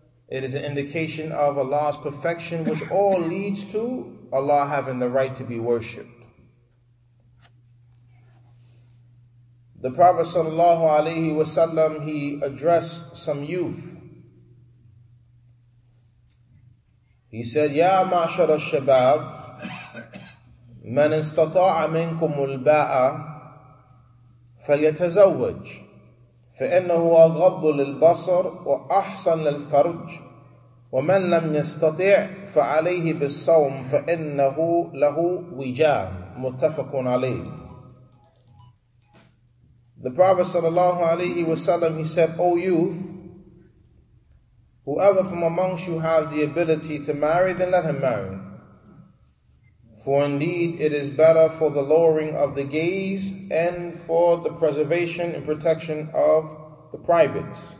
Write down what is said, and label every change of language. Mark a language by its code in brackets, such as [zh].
[en] It is an indication of Allah's perfection, which all leads to Allah having the right to be worshipped. The Prophet sallallahu alaihi wasallam, he addressed some youth. [ar] He said, Ya ma'shar al-shabab, man istata'a minkum al-ba'a, فليتزوج فإنه أغض للبصر وأحسن للفرج ومن لم يستطع فعليه بالصوم فإنه له وجام. متفق عليه. [en] The Prophet sallallahu alayhi wa sallam, he said, O youth, whoever from amongst you have the ability to marry, then let him marry. For indeed, it is better for the lowering of the gaze and for the preservation and protection of the privates.